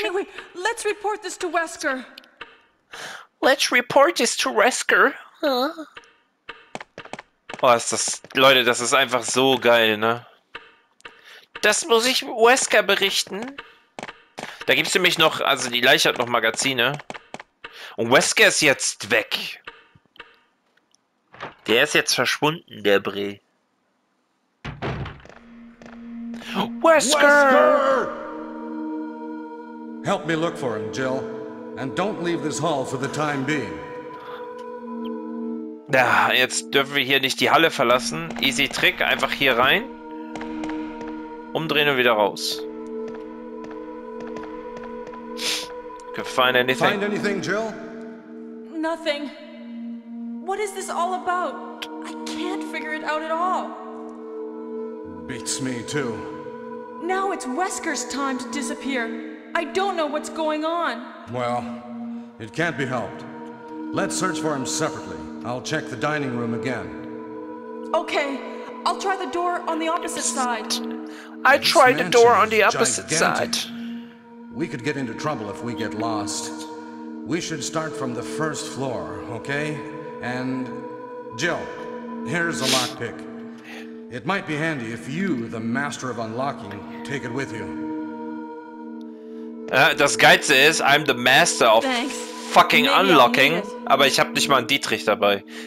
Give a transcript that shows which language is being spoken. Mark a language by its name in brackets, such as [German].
[English] Anyway, let's report this to Wesker. Let's report this to Wesker. [German] Oh, ist das. Leute, das ist einfach so geil, ne? Das muss ich Wesker berichten. Da gibt es nämlich noch. Also, die Leiche hat noch Magazine. Und Wesker ist jetzt weg. Der ist jetzt verschwunden, der Bree. Wesker! [English] Help me look for him, Jill. And don't leave this hall for the time being. [German] Ja, jetzt dürfen wir hier nicht die Halle verlassen. Easy Trick, einfach hier rein. Umdrehen und wieder raus. [English] Could find anything? Find anything, Jill? Nothing. What is this all about? I can't figure it out at all. Beats me too. Now it's Wesker's time to disappear. I don't know what's going on. Well, it can't be helped. Let's search for him separately. I'll check the dining room again. Okay, I'll try the door on the opposite side. I tried the door on the opposite side. We could get into trouble if we get lost. We should start from the first floor, okay? And Jill, here's a lockpick. It might be handy if you, the master of unlocking, take it with you. [German] Das Geilste ist, [English] I'm the master of fucking unlocking, [German] aber ich hab nicht mal einen Dietrich dabei.